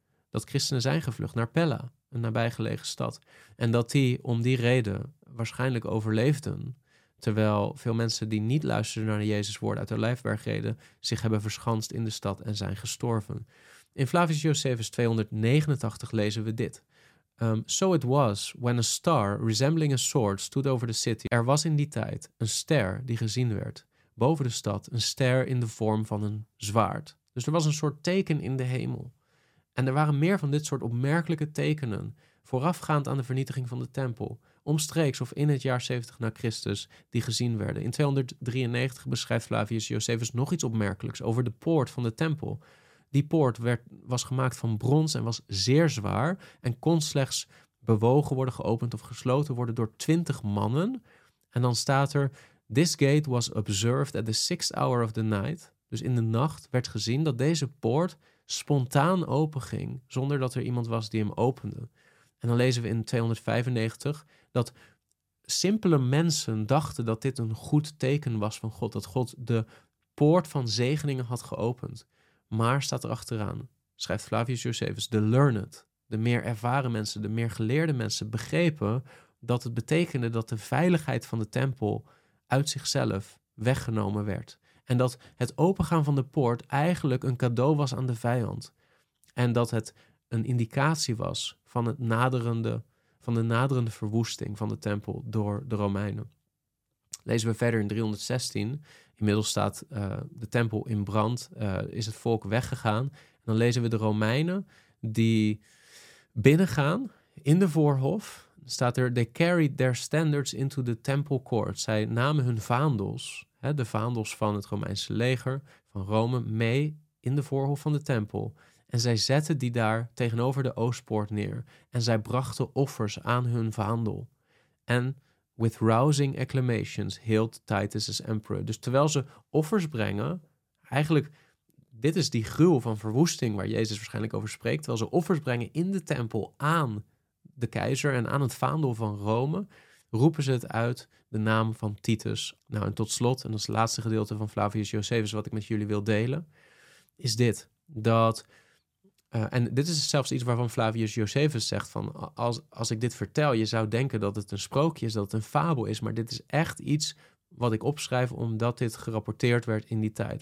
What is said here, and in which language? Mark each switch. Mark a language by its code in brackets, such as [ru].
[nl] Dat christenen zijn gevlucht naar Pella, een nabijgelegen stad. En dat die om die reden waarschijnlijk overleefden, terwijl veel mensen die niet luisterden naar Jezus' woorden uit de olijfbergreden zich hebben verschanst in de stad en zijn gestorven. In Flavius Josephus 289 lezen we dit. [en] So it was, when a star resembling a sword stood over the city. [nl] Er was in die tijd een ster die gezien werd, boven de stad, een ster in de vorm van een zwaard. Dus er was een soort teken in de hemel. En er waren meer van dit soort opmerkelijke tekenen, voorafgaand aan de vernietiging van de tempel, omstreeks of in het jaar 70 na Christus, die gezien werden. In 293 beschrijft Flavius Josephus nog iets opmerkelijks over de poort van de tempel. Die poort was gemaakt van brons en was zeer zwaar en kon slechts bewogen worden, geopend of gesloten worden door 20 mannen. En dan staat er, [en] this gate was observed at the sixth hour of the night. [nl] Dus in de nacht werd gezien dat deze poort spontaan openging, zonder dat er iemand was die hem opende. En dan lezen we in 295 dat simpele mensen dachten dat dit een goed teken was van God, dat God de poort van zegeningen had geopend. Maar staat er achteraan, schrijft Flavius Josephus, de learned, de meer ervaren mensen, de meer geleerde mensen begrepen dat het betekende dat de veiligheid van de tempel uit zichzelf weggenomen werd. En dat het opengaan van de poort eigenlijk een cadeau was aan de vijand. En dat het een indicatie was van het naderende, van de naderende verwoesting van de tempel door de Romeinen. Lezen we verder in 316. Inmiddels staat de tempel in brand, is het volk weggegaan. En dan lezen we de Romeinen die binnengaan in de voorhof. Staat er, [en] they carried their standards into the temple court. [nl] Zij namen hun vaandels, de vaandels van het Romeinse leger, van Rome, mee in de voorhof van de tempel. En zij zetten die daar tegenover de oostpoort neer. En zij brachten offers aan hun vaandel. En [en] with rousing acclamations hailed Titus as emperor. [nl] Dus terwijl ze offers brengen, eigenlijk, dit is die gruwel van verwoesting waar Jezus waarschijnlijk over spreekt. Terwijl ze offers brengen in de tempel aan de keizer en aan het vaandel van Rome, roepen ze het uit, de naam van Titus. Nou, en tot slot, en dat is het laatste gedeelte van Flavius Josephus wat ik met jullie wil delen, is dit, dat, en dit is zelfs iets waarvan Flavius Josephus zegt van, als ik dit vertel, je zou denken dat het een sprookje is, dat het een fabel is, maar dit is echt iets wat ik opschrijf omdat dit gerapporteerd werd in die tijd.